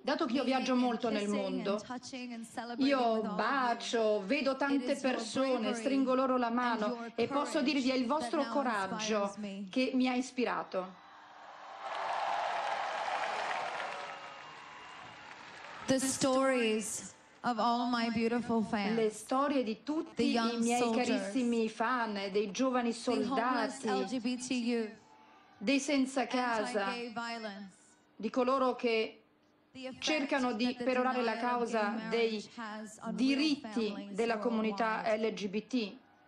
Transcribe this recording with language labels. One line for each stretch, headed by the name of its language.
Italian: Dato che io viaggio molto nel mondo, io bacio, vedo tante persone, stringo loro la mano e posso dirvi è il vostro coraggio che mi ha ispirato.
English: The stories of all my beautiful fans,
Italian: le storie di tutti i miei carissimi fan, dei giovani soldati, dei senza casa, di coloro che cercano di perorare la causa dei diritti della comunità LGBT.